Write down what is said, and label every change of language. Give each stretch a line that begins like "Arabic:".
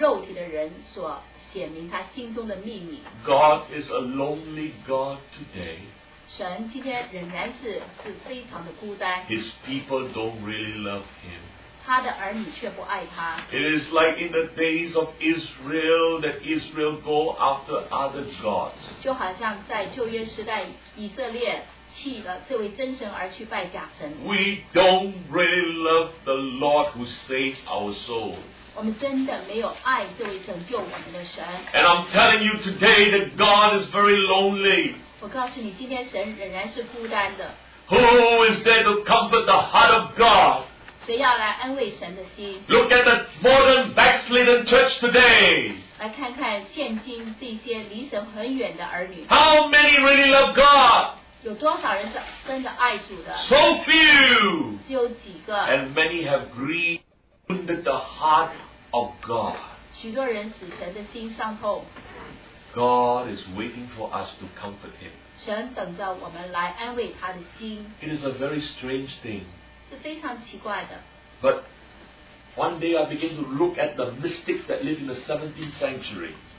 Chinese: 这是神对一个属肉体的人所显明他心中的秘密。
English: God is a lonely God today.
Chinese: 神今天仍然是非常的孤单。
English: His people don't really love him.
Chinese: 他的儿女却不爱他。
English: It is like in the days of Israel that Israel go after other gods.
Chinese: 就好像在旧约时代，以色列弃了这位真神而去拜假神。
English: We don't really love the Lord who saves our soul.
Chinese: 我们真的没有爱这位拯救我们的神。
English: And I'm telling you today that God is very lonely.
Chinese: 我告诉你，今天神仍然是孤单的。
English: Who is there to comfort the heart of God?
Chinese: 谁要来安慰神的心？
English: Look at the modern backslidden church today.
Chinese: 来看看现今这些离神很远的儿女。
English: How many really love God?
Chinese: 有多少人是真的爱主的？
English: So few.
Chinese: 只有几个。
English: And many have grieved the heart of God.
Chinese: 许多人使神的心伤透。
English: God is waiting for us to comfort Him.
Chinese: 神等着我们来安慰他的心。
English: It is a very strange thing.
Chinese: 是非常奇怪的。
English: But one day I began to look at the mystics that lived in the 17th century.